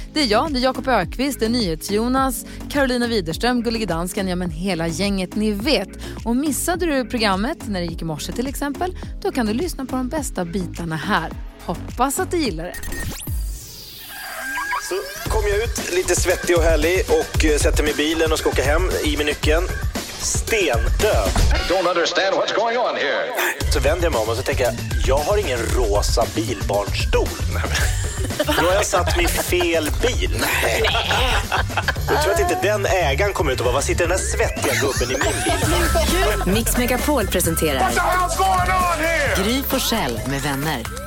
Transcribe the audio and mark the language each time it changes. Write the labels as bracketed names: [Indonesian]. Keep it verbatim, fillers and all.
[Swedish] Det är jag, det är Jakob Ökvist, det är NyhetsJonas, Carolina Widerström, Gullige Dansken, ja men hela gänget ni vet. Och missade du programmet när det gick i morse till exempel, då kan du lyssna på de bästa bitarna här. Hoppas att du gillar det. Så kom jag ut lite svettig och härlig och sätter mig i bilen och ska åka hem i min nyckeln. Stendöd. [English] Don't understand what's going on here. [Swedish] Så vänder jag mig om och så tänker jag, jag har ingen rosa bilbarnstol. Då har jag satt mig i fel bil. Nej. Jag tror att inte den ägaren kom ut och bara, vad sitter den här svettiga gubben i min bil? Mix Megapol presenterar Gry Forssell med vänner.